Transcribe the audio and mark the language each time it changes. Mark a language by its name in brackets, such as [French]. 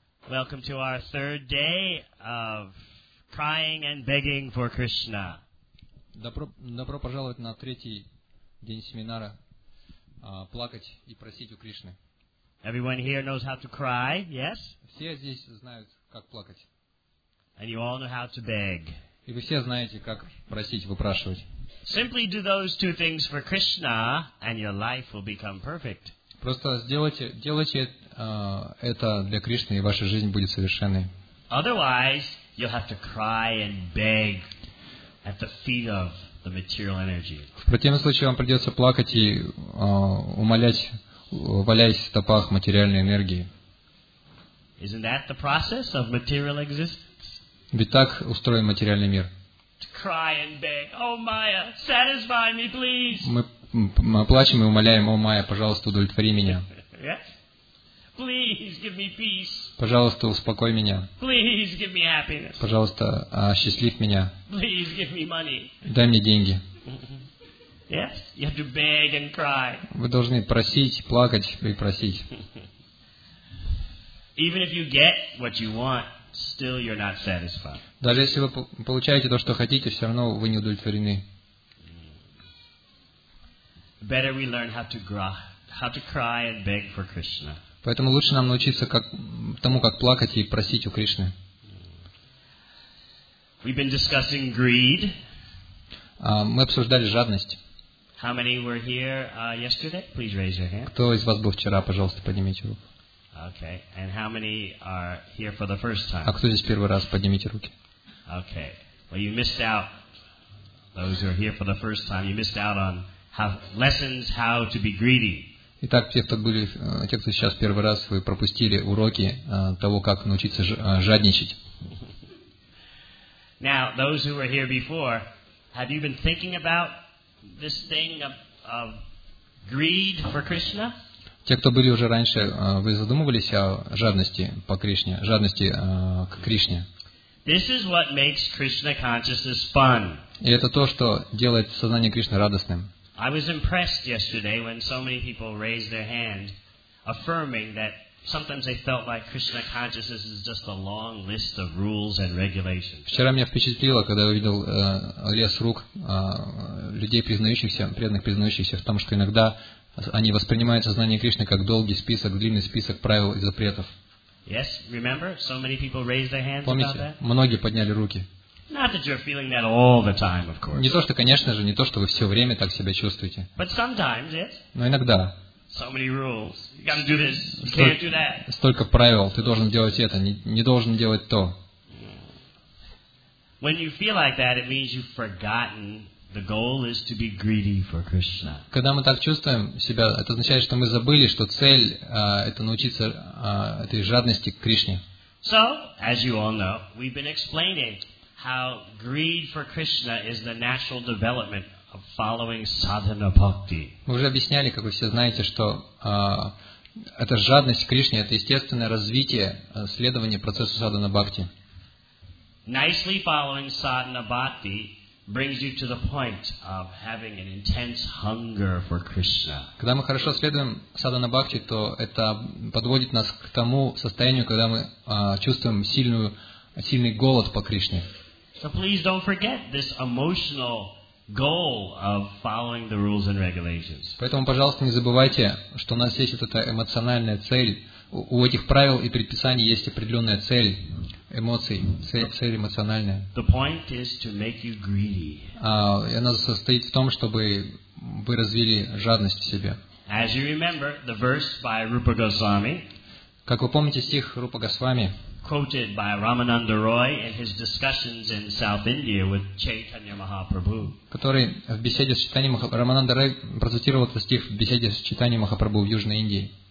[English] Welcome to our third day of crying and begging for Krishna. [Russian] Добро пожаловать на третий день семинара плакать и просить у Кришны. [English] Everyone here knows how to cry, yes? [Russian] Все здесь знают, как плакать. [English] And you all know how to beg. [Russian] И вы все знаете, как просить, выпрашивать. [English] Simply do those two things for Krishna and your life will become perfect. [Russian] Просто делайте это для Кришны, и ваша жизнь будет совершенной. [English] Otherwise, you'll have to cry and beg at the feet of the material energy. [Russian] В противном случае вам придется плакать и умолять, валяясь в стопах материальной энергии. [English] Isn't that the process of material existence? [Russian] Ведь так устроен материальный мир. [English] To cry and beg, oh Maya, satisfy me, please. [Russian] Мы плачем и умоляем, о Майя, пожалуйста, удовлетвори меня. [English] Yes? Please give me peace. [Russian] Пожалуйста, успокой меня. [English] Please give me happiness. [Russian] Пожалуйста, осчастлив меня. [English] Please give me money. [Russian] Дай мне деньги. [English] Yes? You have to beg and cry. [Russian] Вы должны просить, плакать и просить. [English] Even if you get what you want, still you're not satisfied. [Russian] Даже если вы получаете то, что хотите, все равно вы не удовлетворены. [English] Better we learn how to cry and beg for Krishna. [Russian] Поэтому лучше нам научиться как тому, как плакать и просить у Кришны. [English] We've been discussing greed. [Russian] Мы обсуждали жадность. [English] How many were here yesterday? Please raise your hand. [Russian] Кто из вас был вчера? Пожалуйста, поднимите руку. [English] Okay. And how many are here for the first time? [Russian] А кто здесь первый раз? Поднимите руки. [English] Okay. Well, you missed out Those who are here for the first time, you missed out on lessons how to be greedy. [Russian] Итак, те, кто сейчас первый раз, вы пропустили уроки того, как научиться жадничать. [English] Now, those who were here before, have you been thinking about this thing of greed for Krishna? [Russian] Те, кто были уже раньше, вы задумывались о жадности по Кришне, жадности к Кришне? [English] This is what makes Krishna consciousness fun. [Russian] И это то, что делает сознание Кришны радостным. [English] I was impressed yesterday when so many people raised their hand, affirming that sometimes they felt like Krishna consciousness is just a long list of rules and regulations. [Russian] Вчера меня впечатлило, когда я увидел лес рук людей, признающихся, преданных, признающихся в том, что иногда они воспринимают сознание Кришны как долгий список, длинный список правил и запретов. [English] Yes, remember? So many people raised their hands. [Russian] Помните, [English] about that? [Russian] Многие подняли руки. [English] Not that you're feeling that all the time, of course. [Russian] Не то, что, конечно же, не то, что вы все время так себя чувствуете. [English] But sometimes, yes. [Russian] Но иногда. [English] So many rules. You gotta do this. You can't do that. [Russian] Столько правил. Ты должен делать это. Не должен делать то. [English] When you feel like that, it means you've forgotten the goal is to be greedy for Krishna. [Russian] Когда мы так чувствуем себя, это означает, что мы забыли, что цель это научиться этой жадности к Кришне. [English] So, as you all know, we've been explaining how greed for Krishna is the natural development of following sadhana bhakti. [Russian] Мы уже объясняли, как вы все знаете, что эта жадность к Кришне это естественное развитие следования процессу садхана бхакти. [English] Nicely following sadhana bhakti brings you to the point of having an intense hunger for Krishna. [Russian] Когда мы хорошо следуем садхана бхакти, то это подводит нас к тому состоянию, когда мы чувствуем сильный голод по Кришне. [English] So please don't forget this emotional goal of following the rules and regulations. [Russian] Поэтому, пожалуйста, не забывайте, что у нас есть эта эмоциональная цель. У этих правил и предписаний есть определенная цель эмоций, цель эмоциональная. [English] The point is to make you greedy. [Russian] И она состоит в том, чтобы вы развили жадность в себе. [English] As you remember, the verse by Rupa Goswami. [Russian] Как вы помните стих Рупа Госвами? [English] Quoted by Ramananda Roy in his discussions in South India with Chaitanya Mahaprabhu. [Russian] Который в беседе с Чайтаньей Махапрабху Рамананда Рой процитировал этот стих в беседе с Чайтаньей Махапрабху в Южной Индии.